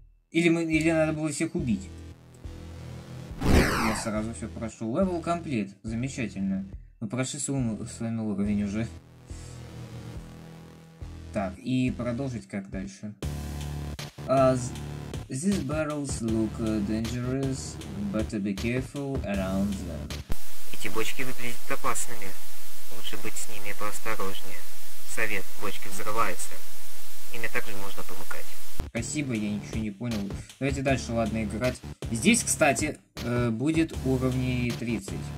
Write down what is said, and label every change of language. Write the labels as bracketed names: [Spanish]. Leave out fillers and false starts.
[Russian] Или надо было всех убить. Я сразу все прошел. [English] Level complete. [Russian] Замечательно. Мы прошли с вами уровень уже. Так, и продолжить как дальше. [English] These barrels look dangerous, better be careful around them. [Russian] Эти бочки выглядят опасными. Лучше быть с ними поосторожнее. Совет, бочки взрываются. Ими также можно помыкать. Спасибо, я ничего не понял. Давайте дальше, ладно, играть. Здесь, кстати, будет уровней 30.